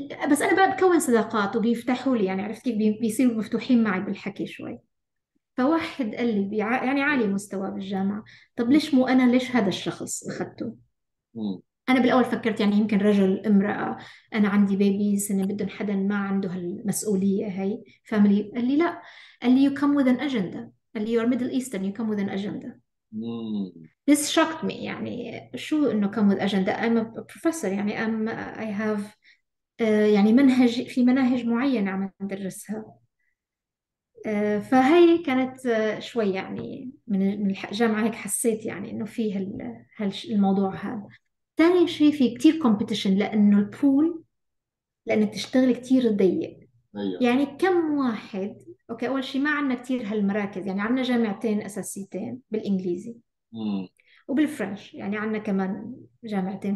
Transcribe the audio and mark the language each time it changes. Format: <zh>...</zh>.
<ar>بس انا بقى بكون صداقات وبيفتحوا لي، يعني عرفت كيف، بيصيروا مفتوحين معي بالحكي شوي. فواحد قال لي يعني عالي مستوى بالجامعة، طب ليش مو انا، ليش هذا الشخص اخذته؟ انا بالاول فكرت يعني يمكن رجل امرأة، انا عندي بيبيز، انا بدهم حدا ما عنده هالمسؤولية هاي فاميلي. قال لي لا، قال لي</ar> <en>you come with an agenda،</en> <ar>قال لي</ar> <en>you are middle eastern you come with an agenda. This shocked me،</en> <ar>يعني شو انه</ar> <en>come with agenda، I'm a professor،</en> <ar>يعني</ar> <en>I'm I have</en> <ar>يعني منهج، في مناهج معينة عم ندرسها. فهي كانت شوي يعني من الجامعة هيك حسيت يعني انه في الموضوع هذا. ثاني شيء في كتير كومبيتيشن، لانه البول، لانك تشتغل كتير ضيق، يعني كم واحد. اوكي اول شيء ما عندنا كتير هالمراكز، يعني عندنا جامعتين اساسيتين بالانجليزي وبالفرنش، يعني عندنا كمان جامعتين.</ar>